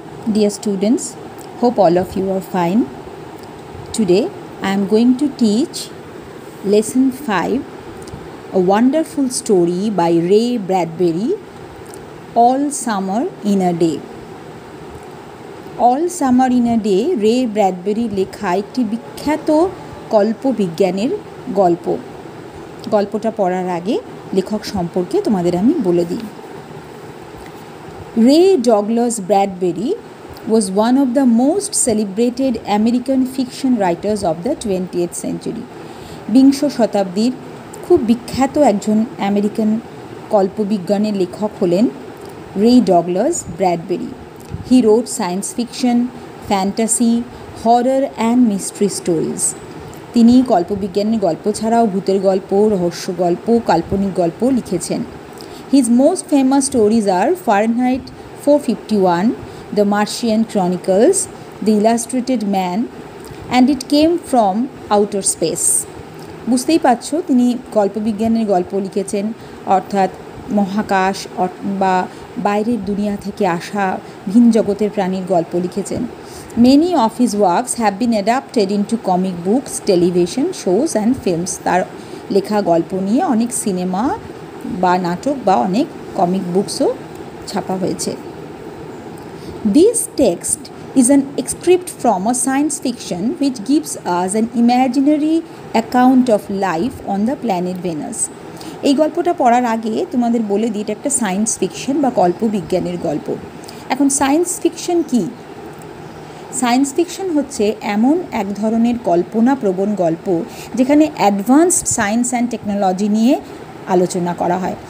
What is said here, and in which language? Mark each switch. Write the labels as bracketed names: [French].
[English] Dear students, hope all of you are fine. Today I am going to teach lesson 5, a wonderful story by Ray Bradbury, All Summer in a Day. [Bangla] All Summer in a Day, Ray Bradbury লেখা একটি বিখ্যাত কল্প বিজ্ঞানের গল্প। গল্পটা পড়ার আগে লেখক সম্পর্কে তোমাদের আমি বলে দিই। [English] Ray Douglas Bradbury was one of the most celebrated American fiction writers of the 20th century. [Bangla] বিংশ শতাব্দীর খুব বিখ্যাত একজন আমেরিকান কল্পবিজ্ঞানের লেখক হলেন Ray Douglas Bradbury. [English] He wrote science fiction, fantasy, horror and mystery stories. [Bangla] তিনি কল্পবিজ্ঞানের গল্প ছাড়াও ভূতের গল্প, রহস্য গল্প, কাল্পনিক গল্প লিখেছেন। [English] His most famous stories are Fahrenheit 451, The Martian Chronicles, The Illustrated Man, and It Came From Outer Space. [Bangla] বুঝতেই পারছো, তিনি কল্পবিজ্ঞানের গল্প লিখেছেন, অর্থাৎ মহাকাশ বা বাইরের দুনিয়া থেকে আসা ভিন জগতের প্রাণীর গল্প লিখেছেন। [English] Many of his works have been adapted into comic books, television shows and films. [Bangla] তার লেখা গল্প নিয়ে অনেক সিনেমা বা নাটক বা অনেক কমিক বুকসও ছাপা হয়েছে। [English] This text is an excerpt from a science fiction which gives us an imaginary account of life on the planet Venus. [Bangla] এই গল্পটা পড়ার আগে তোমাদের বলে দিই, এটা একটা সায়েন্স ফিকশন বা কল্পবিজ্ঞানের গল্প। এখন সায়েন্স ফিকশন কী? সায়েন্স ফিকশন হচ্ছে এমন এক ধরনের কল্পনা প্রবণ গল্প যেখানে অ্যাডভান্সড সায়েন্স অ্যান্ড টেকনোলজি নিয়ে আলোচনা করা হয়।